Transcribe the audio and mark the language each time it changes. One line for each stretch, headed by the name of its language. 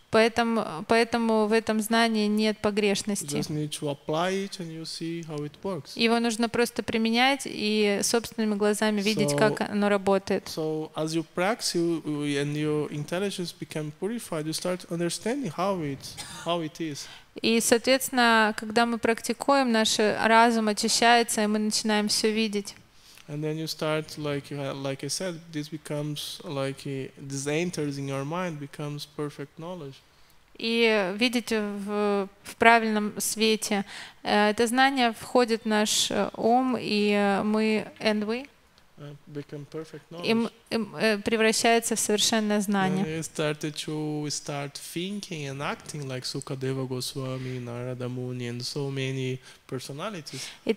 Russian: Поэтому в этом знании нет погрешности.
English: You just need to apply it and you see how it works.
Russian: Его нужно просто применять и собственными глазами видеть, как оно работает.
English: So as you practice and your intelligence become purified, you start understanding how it is.
Russian: И, соответственно, когда мы практикуем, наш разум очищается, и мы начинаем все видеть.
English: And then you start like I said, this becomes this enters in your mind, becomes perfect knowledge.
Russian: И видите в правильном свете. Это знание входит в наш ум, и мы
English: and we become perfect knowledge.
Russian: Превращается в совершенное знание.
English: And you start thinking and acting like Sukadeva Goswami, Narada Muni and so many personalities.